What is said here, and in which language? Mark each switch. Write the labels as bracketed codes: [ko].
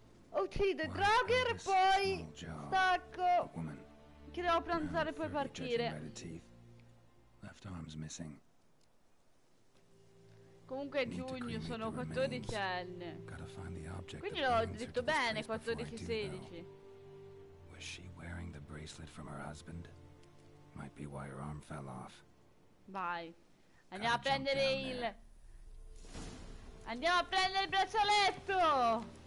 [it] Uccide Draugr, poi stacco. Che devo pranzare e poi partire. [en] Left arm's missing. [it] Comunque è giugno, sono 14enne. Quindi l'ho detto bene, 14-16. [en] Was she wearing the bracelet from her husband? Might be why her arm fell off. [it] Vai. Andiamo a prendere il... Andiamo a prendere il braccialetto!